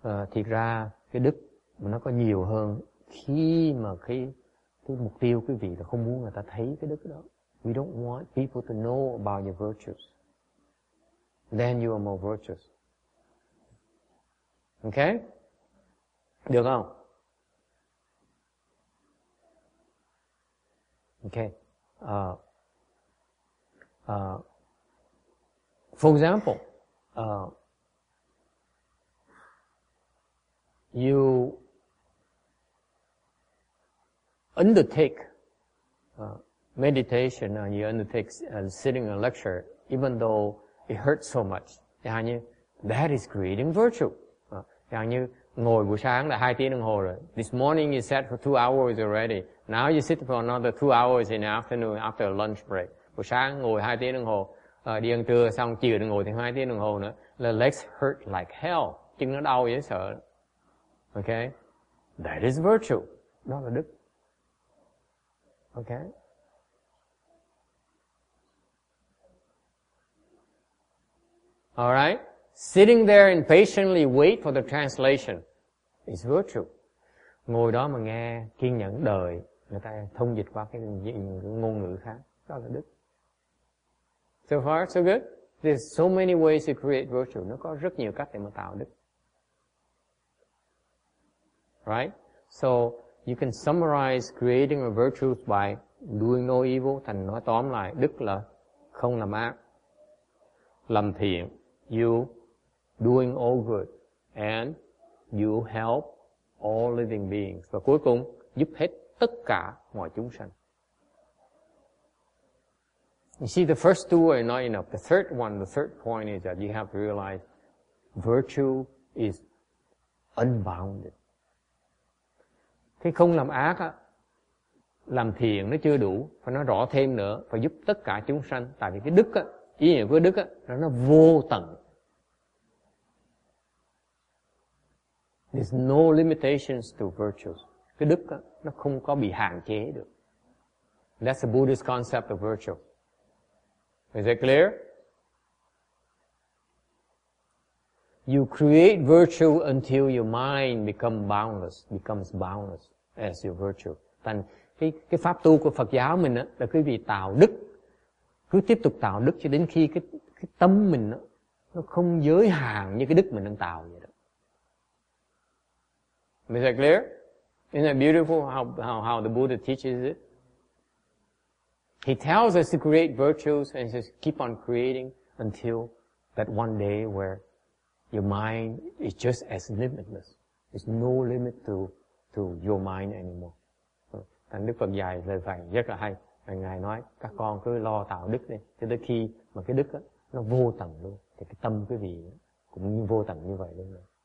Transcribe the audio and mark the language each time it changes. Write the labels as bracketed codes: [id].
[vi] Thiệt ra, cái đức nó có nhiều hơn khi mà cái mục tiêu quý vị là không muốn người ta thấy cái đức đó. [en] We don't want people to know about your virtues. Then you are more virtuous. Okay? [vi] Được không? [en] Okay. For example, you undertake meditation and you undertake sitting in a lecture, even though it hurts so much. Như, that is creating virtue. [vi] Như, ngồi buổi sáng là 2 tiếng đồng hồ rồi. [en] This morning you sat for 2 hours already. Now you sit for another 2 hours in the afternoon after a lunch break. [vi] Buổi sáng ngồi 2 tiếng đồng hồ, đi ăn trưa xong chiều thì ngồi thêm 2 tiếng đồng hồ nữa. [en] The legs hurt like hell. [vi] Chân nó đau dễ sợ. [en] Okay? That is virtue. [vi] Đó là đức. [en] Okay? All right? Sitting there and patiently wait for the translation is virtue. [vi] Ngồi đó mà nghe, kiên nhẫn đợi người ta thông dịch qua cái ngôn ngữ khác, đó là đức. [en] So far, so good. There's so many ways to create virtue. [vi] Nó có rất nhiều cách để mà tạo đức. [en] Right? So you can summarize creating a virtue by doing no evil. [vi] Thành nói tóm lại, đức là không làm ác, làm thiện. [en] You doing all good, and you help all living beings. [vi] Và cuối cùng, giúp hết tất cả mọi chúng sanh. [en] You see, the first two are not enough. The third one, the third point is that you have to realize virtue is unbounded. [vi] Cái không làm ác, á, làm thiện nó chưa đủ. Phải nói rõ thêm nữa, phải giúp tất cả chúng sanh. Tại vì cái đức, á, ý nghĩa của đức, á, nó vô tận. [en] There's no limitations to virtues. [vi] Cái đức nó không có bị hạn chế được. [en] That's the Buddhist concept of virtue. Is it clear? You create virtue until your mind becomes boundless as your virtue. [vi] Thành cái pháp tu của Phật giáo mình là quý vị tạo đức, cứ tiếp tục tạo đức cho đến khi cái tâm mình nó không giới hạn như cái đức mình đang tạo vậy đó. [en] Is that clear? Isn't that beautiful how the Buddha teaches it? He tells us to create virtues and says keep on creating until that one day where your mind is just as limitless. There's no limit to your mind anymore. [vi] Thành Đức Phật dạy lời dạy rất là hay. Ngài nói các con cứ lo tạo đức đi cho tới khi mà cái đức nó vô tận luôn thì cái tâm quý vị cũng như vô tận như vậy luôn rồi.